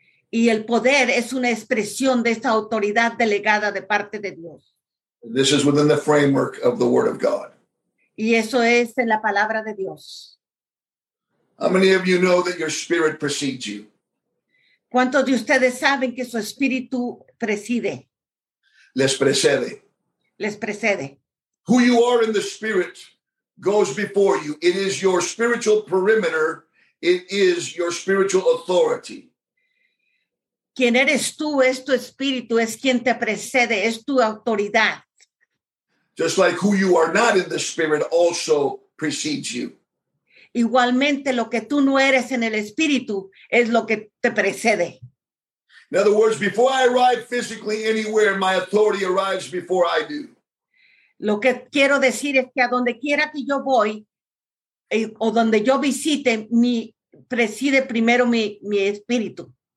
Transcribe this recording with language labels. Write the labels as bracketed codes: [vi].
[es] Y el poder es una expresión de esta autoridad delegada de parte de Dios. [en] This is within the framework of the Word of God. [es] Y eso es en la palabra de Dios. [en] How many of you know that your spirit precedes you? [es] ¿Cuántos de ustedes saben que su espíritu preside? Les precede. Les precede. [en] Who you are in the spirit goes before you. It is your spiritual perimeter. It is your spiritual authority. [es] Quien eres tú es tu espíritu, es quien te precede, es tu autoridad. [en] Just like who you are not in the spirit also precedes you. [es] Igualmente lo que tú no eres en el espíritu es lo que te precede. [en] In other words, before I arrive physically anywhere, my authority arrives before I do. [es] Lo que quiero decir es que a donde quiera que yo voy o donde yo visite, mi preside primero mi espíritu.